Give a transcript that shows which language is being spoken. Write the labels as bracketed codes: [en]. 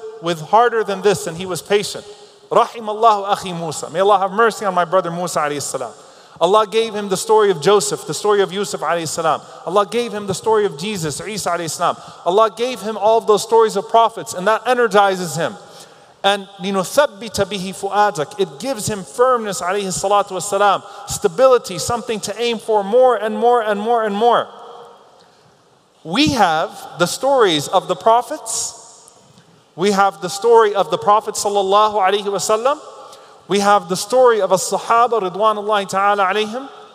[en] with harder than this, and he was patient. [ar] رحم الله أخي موسى. [en] May Allah have mercy on my brother Musa alayhi salam. Allah gave him the story of Joseph, the story of Yusuf alayhi salam. Allah gave him the story of Jesus, Isa alayhi salam. Allah gave him all of those stories of prophets, and that energizes him. [ar] And لِنُثَبِّتَ بِهِ فُؤَادَكَ. [en] It gives him firmness alayhi salatu wasalam, stability, something to aim for more and more and more and more. We have the stories of the prophets. We have the story of the Prophet sallallahu alayhi wasallam. We have the story of a Sahaba ridwanullahi ta'ala alayhim.